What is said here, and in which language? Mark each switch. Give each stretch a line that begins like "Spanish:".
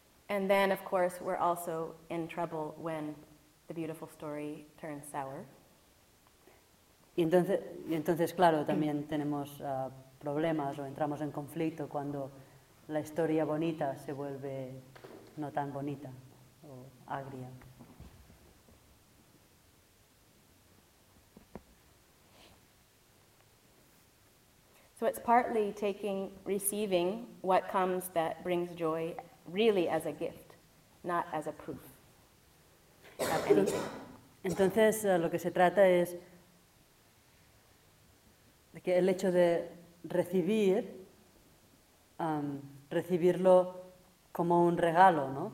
English: And then, of course, we're also in trouble when the beautiful story turns sour.
Spanish: Y entonces, claro, también tenemos problemas o entramos en conflicto cuando la historia bonita se vuelve no tan bonita o agria.
English: So it's partly taking, receiving what comes that brings joy really as a gift, not as a proof of anything.
Spanish: Entonces, lo que se trata es de que el hecho de recibir, recibirlo como un regalo, ¿no?